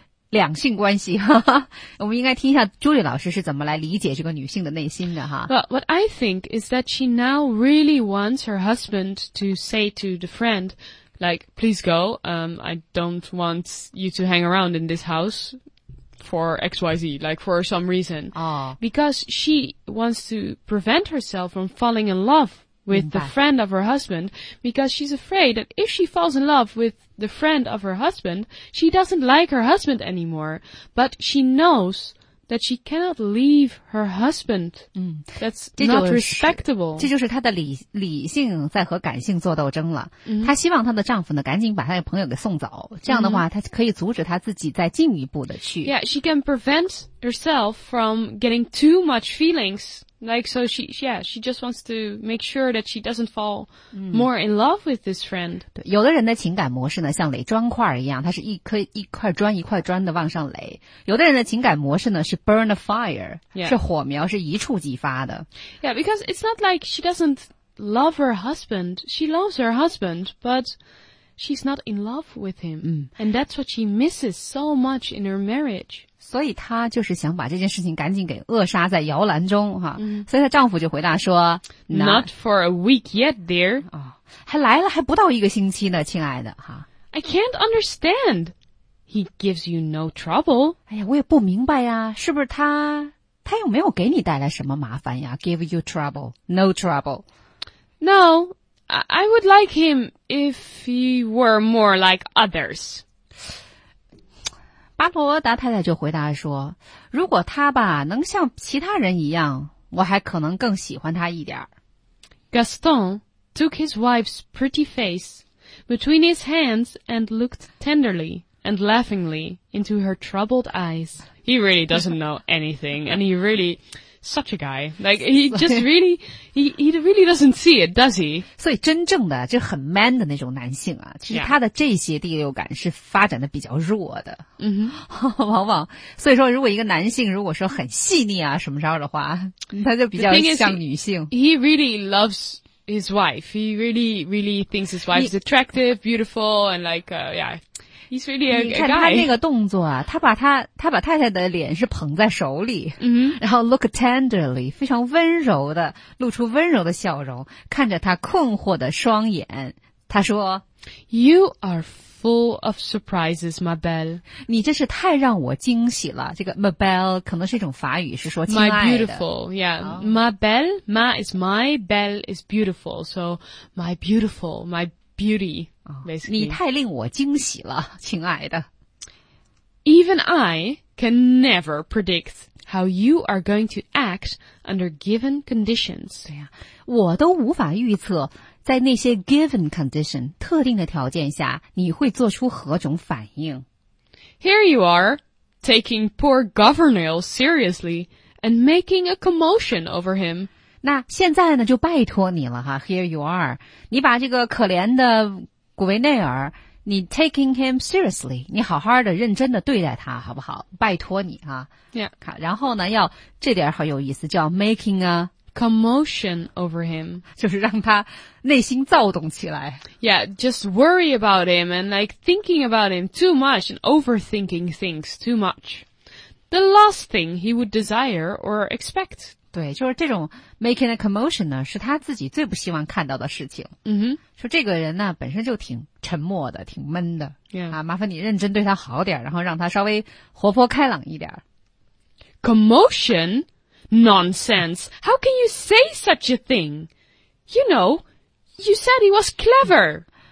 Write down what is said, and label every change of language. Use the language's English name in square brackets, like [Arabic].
[Chinese] 两性关系，哈哈。我们应该听一下朱莉老师是怎么来理解这个女性的内心的哈。 [English] Well, what I think is that she now really wants her husband to say to the friend, like, please go, I don't want you to hang around in this house for XYZ, like for some reason. Oh. Because she wants to prevent herself from falling in love with the friend of her husband, because she's afraid that if she falls in love with the friend of her husband, she doesn't like her husband anymore. But she knows that she cannot leave her husband. That's not respectable. [Chinese] 这就是她的理性在和感性做斗争了。她希望她的丈夫呢赶紧把她的朋友给送走，这样的话她可以阻止她自己再进一步的去。 [English] Yeah, she can prevent herself from getting too much feelings. Like, so she just wants to make sure that she doesn't fall more in love with this friend. [Chinese] 对，有的人的情感模式呢像垒砖块一样，它是一颗一块砖一块砖的往上垒。有的人的情感模式呢是 [English] burn a fire, [Chinese] 是火苗，是一触即发的。 [English] Yeah, because it's not like she doesn't love her husband. She loves her husband, but... She's not in love with him, and that's what she misses so much in her marriage. [Chinese] 所以她就是想把这件事情赶紧给扼杀在摇篮中哈。所以她丈夫就回答说 [English] ，Not for a week yet, dear. [Chinese] 啊，还来了，还不到一个星期呢，亲爱的哈。 [English] I can't understand. He gives you no trouble. [Chinese] 哎呀，我也不明白呀，是不是他又没有给你带来什么麻烦呀 ？ [English] Give you trouble? No trouble. No. I would like him if he were more like others. [Chinese] 巴罗达太太就回答说，如果他吧能像其他人一样，我还可能更喜欢他一点。 [English] Gaston took his wife's pretty face between his hands and looked tenderly and laughingly into her troubled eyes. He really doesn't know anything, and he reallySuch a guy. Like, he just really, he really doesn't see it, does he? [Chinese] 所以真正的就很 man 的那种男性啊，其实他的这些第六感是发展的比较弱的。往往，所以说如果一个男性如果说很细腻啊什么时候的话，他就比较像女性。 [English] He really loves his wife. He really, really thinks his wife is attractive, beautiful, and like, He's really a guy. [Chinese] 你看他那个动作啊，他把太太的脸是捧在手里，然后 [English] look tenderly, [Chinese] 非常温柔的露出温柔的笑容，看着他困惑的双眼，他说 [English] ,You are full of surprises, ma belle. [Chinese] 你真是太让我惊喜了，这个 ma belle 可能是一种法语，是说亲爱的。 [English] My beautiful, yeah.、Oh. Ma belle, ma is my belle is beautiful, so my beautiful, my beauty. Basically. [Chinese] 你太令我惊喜了，亲爱的。 [English] Even I can never predict how you are going to act under given conditions. [Chinese] 对呀，我都无法预测在那些 [English] given condition [Chinese] 特定的条件下你会做出何种反应。 [English] Here you are, taking poor Governor seriously and making a commotion over him. [Chinese] 那现在呢，就拜托你了哈。 [English] Here you are, [Chinese] 你把这个可怜的古维内尔，你 [English] taking him seriously, [Chinese] 你好好的认真的对待他好不好，拜托你啊。 [English] Yeah. [Chinese] 然后呢要这点好有意思，叫 [English] making a [Chinese] commotion over him, 就是让他内心躁动起来。 [English] Yeah, just worry about him and like thinking about him too much and overthinking things too much. The last thing he would desire or expect. [Chinese] 对，就是这种 making a commotion 呢，是他自己最不希望看到的事情。说这个人呢，本身就挺沉默的，挺闷的。 [English] Yeah. [Chinese] 啊，麻烦你认真对他好点，然后让他稍微活泼开朗一点。 [English] Commotion? Nonsense! How can you say such a thing? You know, you said he was clever.